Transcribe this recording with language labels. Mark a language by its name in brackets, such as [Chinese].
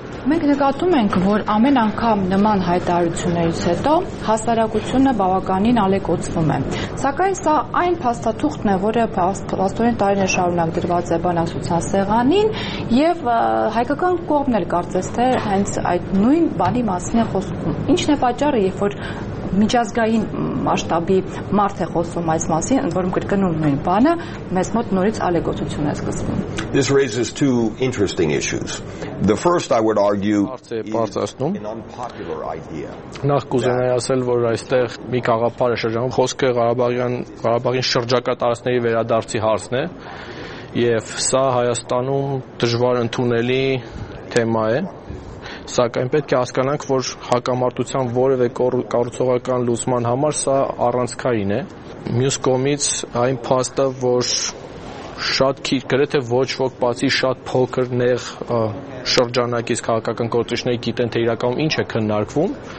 [Armenian] Մենք նկատում ենք, որ ամեն անգամ նման հայտարարություններից հետո հասարակությունը բավականին ալեկոծվում է, սակայն սա այն փաստաթուղթն է, որը փաստորեն տարիներ շարունակ դրված է բանասության սեղանին, և հայկական կողմն էլ կարծես թե հենց այդ նույն բանի մասին է խոսքում։ Ինչն է պատճառը, երբ որ միջազգային մասշտաբի մարդ է խոսում այս մասին, ընդ որում կրկնում նույն բանը, մեզ մոտ նորից ալեկոծություն է սկսվում։ [English] This raises two interesting issues. The first, I would argue, is an unpopular idea. [Armenian] Նախ կուզենայի ասել, որ այստեղ մի գաղափար է շրջանում, խոսքը Ղարաբաղի շրջակա տարածքների վերադարձի հարցն է, և սա Հայաստանում դժվար ընդունելի թեմա է, սակայն պետք է հասկանանք, որ հակամարտության որևէ կառուցողական լուսման համար սա առանցքային է։ Մյուս կողմից այն փաստը, որ շատ քիչ, գրեթե ոչ ոք, բացի շատ փոքր նեղ շրջանակից քաղաքական գործիչների գիտեն, թե իրականում ինչ է քննարկվում,